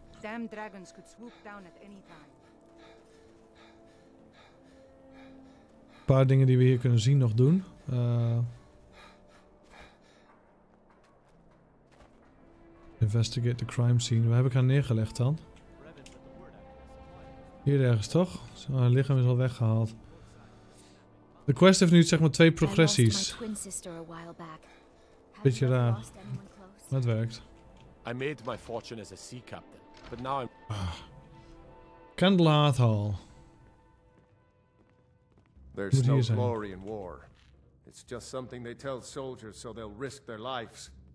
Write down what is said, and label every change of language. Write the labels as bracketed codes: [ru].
[en] Damn dragons could swoop down at any time. [nl] Een paar dingen die we hier kunnen zien nog doen. [en] Investigate the crime scene. [nl] Waar heb ik haar neergelegd dan? Hier ergens toch? Haar lichaam is al weggehaald. De quest heeft nu zeg maar twee progressies. Beetje raar. Maar het werkt. [en] I made my fortune as a sea captain, but now I'm... Kendlath Hall. There's no glory in war. It's just something they tell soldiers so they'll risk their lives.